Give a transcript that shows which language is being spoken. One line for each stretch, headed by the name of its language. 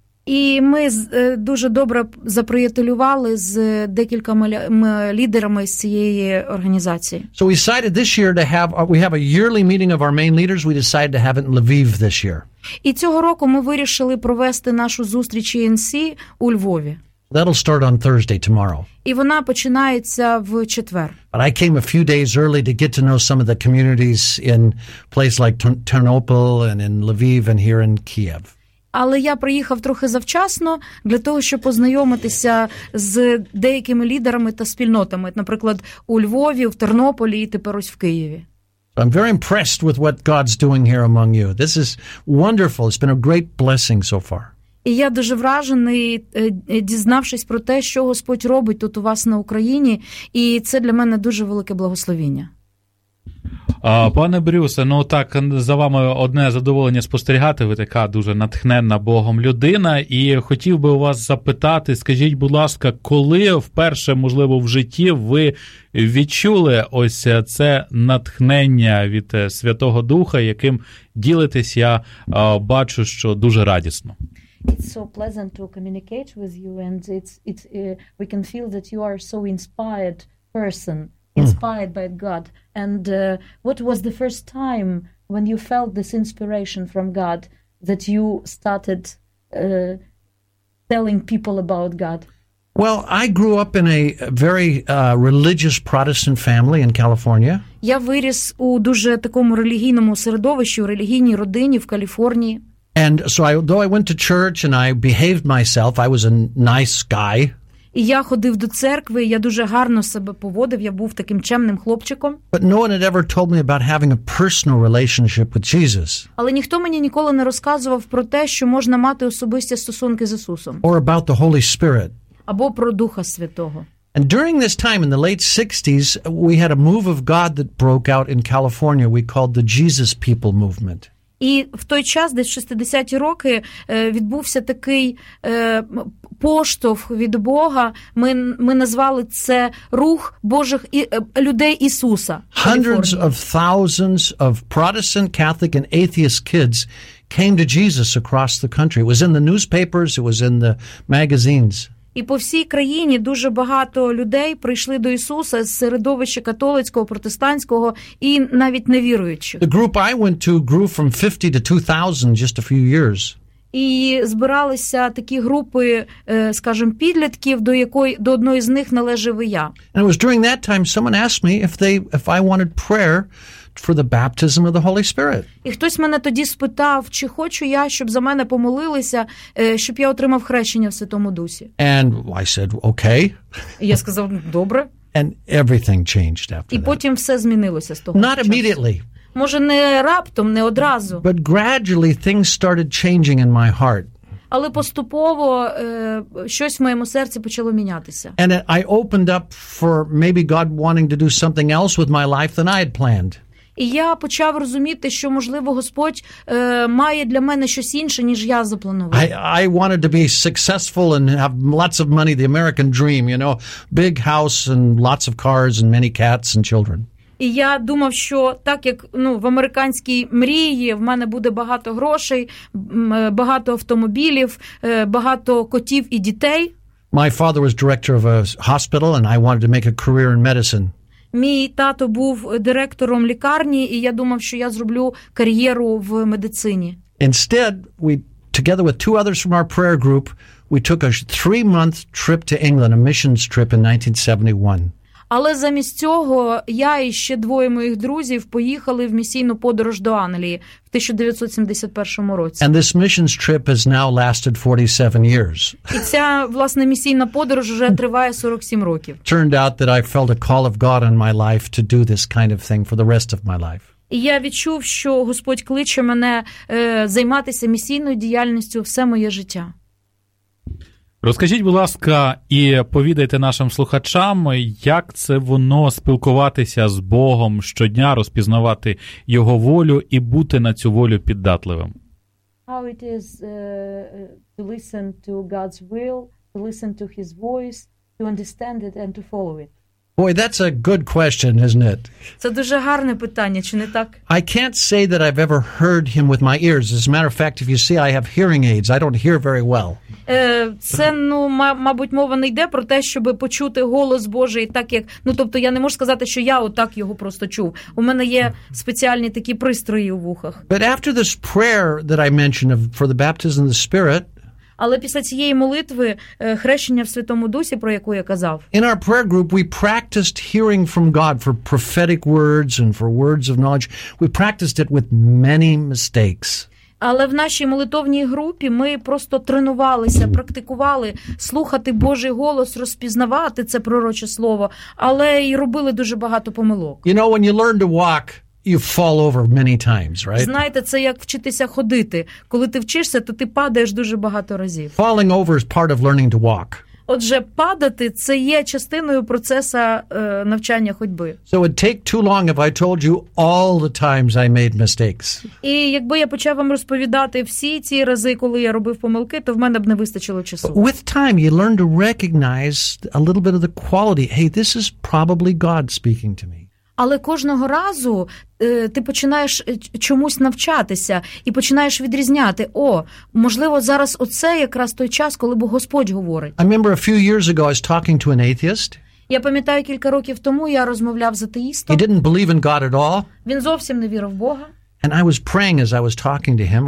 Ukrainian: І ми дуже добре заприятелювали з декількома лідерами з цієї організації.
English: So we decided this year to have, we have a yearly meeting of our main leaders, we decided to have it in Lviv this year.
Ukrainian: І цього року ми вирішили провести нашу зустріч ENC у Львові.
English: That'll start on Thursday, tomorrow.
Ukrainian: І вона починається в четвер.
English: But I came a few days early to get to know some of the communities in places like Ternopil and in Lviv and here in Kiev.
Ukrainian: Але я приїхав трохи завчасно для того, щоб познайомитися з деякими лідерами та спільнотами, наприклад, у Львові, в Тернополі і тепер ось в Києві.
English: I'm very impressed with what God's doing here among you. This is wonderful. It's been a great blessing so far.
Ukrainian: І я дуже вражений, дізнавшись про те, що Господь робить тут у вас на Україні, і це для мене дуже велике благословення. Пане Брюсе, ну так, за вами одне задоволення спостерігати, ви така дуже натхненна Богом людина, і хотів би у вас запитати, скажіть, будь ласка, коли вперше, можливо, в житті ви відчули ось це натхнення від Святого Духа, яким ділитесь, я бачу, що дуже радісно.
English: It's so pleasant to communicate with you, and it's we can feel that you are so inspired person. Inspired by God. And what was the first time when you felt this inspiration from God that you started telling people about God? Well, I grew up in a very religious Protestant family in California.
Ukrainian: Я виріс у дуже такому релігійному середовищі, у релігійній родині в Каліфорнії.
English: And so although I went to church and I behaved myself, I was a nice guy.
Ukrainian: І я ходив до церкви, я дуже гарно себе поводив, я був таким чемним хлопчиком.
English: But no one had ever told me about having a personal relationship with Jesus.
Ukrainian: Але ніхто мені ніколи не розказував про те, що можна мати особисті стосунки з Ісусом.
English: Or about the Holy Spirit.
Ukrainian: Або про Духа Святого.
English: And during this time in the late 60s, we had a move of God that broke out in California. We called the Jesus People Movement.
Ukrainian: І в той час, десь 60-ті роки, відбувся такий поштовх від Бога. Ми назвали це рух Божих і людей Ісуса.
English: Hundreds of thousands of Protestant, Catholic and atheist kids came to Jesus across the country. It was in the newspapers, it was in the magazines.
Ukrainian: І по всій країні дуже багато людей прийшли до Ісуса з середовища католицького, протестантського і навіть невіруючих.
English: The group I went to grew from 50 to 2000 just a few years.
Ukrainian: І збиралися такі групи, скажімо, підлітків, до одної з них належав я.
English: And it was during that time someone asked me if I wanted prayer for the baptism of the Holy Spirit.
Ukrainian: І хтось мене тоді спитав, чи хочу я, щоб за мене помолилися, щоб я отримав хрещення в Святому Дусі.
English: And I said, okay.
Ukrainian: Я сказав, добре.
English: And everything changed after that.
Ukrainian: І потім все змінилося з того.
English: Not immediately.
Ukrainian: Може, не раптом, не одразу.
English: But gradually things started changing in my heart.
Ukrainian: Але поступово щось в моєму серці почало мінятися.
English: And I opened up for maybe God wanting to do something else with my life than I had planned.
Ukrainian: І я почав розуміти, що, можливо, Господь має для мене щось інше, ніж я запланував.
English: I wanted to be successful and have lots of money, the American dream, you know, big house and lots of cars and many cats and children.
Ukrainian: І я думав, що так, як в американській мрії, в мене буде багато грошей, багато автомобілів, багато котів і дітей.
English: My father was director of a hospital and I wanted to make a career in medicine.
Ukrainian: Мій тато був директором лікарні, і я думав, що я зроблю кар'єру в медицині.
English: Instead, we together with two others from our prayer group, we took a 3-month trip to England, a missions trip in 1971.
Ukrainian: Але замість цього я і ще двоє моїх друзів поїхали в місійну подорож до Англії в 1971 році.
English: And this missions trip has now lasted 47 years.
Ukrainian: І ця, власне, місійна подорож вже триває 47 років.
English: Turned out that I felt a call of God on my life to do this kind of thing for the rest of my life.
Ukrainian: І я відчув, що Господь кличе мене займатися місійною діяльністю все моє життя. Розкажіть, будь ласка, і повідайте нашим слухачам, як це воно спілкуватися з Богом щодня, розпізнавати Його волю і бути на цю волю піддатливим.
English: How it is to listen to God's will, to listen to His voice, to understand it and to follow it. Boy, that's a good question, isn't it? Це дуже гарне питання, чи не так? I can't say that I've ever heard him with my ears. As a matter of fact, if you see, I have hearing aids. I don't hear very well.
Ukrainian: Це, мабуть, мова не йде про те, щоб почути голос Божий так, як... тобто я не можу сказати, що я отак його просто чув. У мене є спеціальні такі пристрої у вухах.
English: But after this prayer that I mentioned for the baptism of the Spirit,
Ukrainian: але після цієї молитви, хрещення в Святому Дусі, про яку я казав.
English: In our prayer group we practiced hearing from God for prophetic words and for words of knowledge. We practiced it with many mistakes.
Ukrainian: Але в нашій молитовній групі ми просто тренувалися, практикували слухати Божий голос, розпізнавати це пророче слово, але й робили дуже багато помилок.
English: You know, when you learn to walk, you fall over many times, right?
Ukrainian: Знаєте, це як вчитися ходити. Коли ти вчишся, то ти падаєш дуже багато разів.
English: Falling over is part of learning to walk.
Ukrainian: Отже, падати – це є частиною процесу навчання ходьби.
English: So it would take too long if I told you all the times I made mistakes.
Ukrainian: І якби я почав вам розповідати всі ці рази, коли я робив помилки, то в мене б не вистачило часу.
English: But with time, you learn to recognize a little bit of the quality. Hey, this is probably God speaking to me.
Ukrainian: Але кожного разу ти починаєш чомусь навчатися і починаєш відрізняти. О, можливо, зараз оце якраз той час, коли б Господь говорить.
English: I remember a few years ago I was talking to an atheist.
Ukrainian: Я пам'ятаю, кілька років тому я розмовляв з атеїстом.
English: He didn't believe in God at all.
Ukrainian: Він зовсім не вірив в Бога.
English: And I was praying as I was talking to him.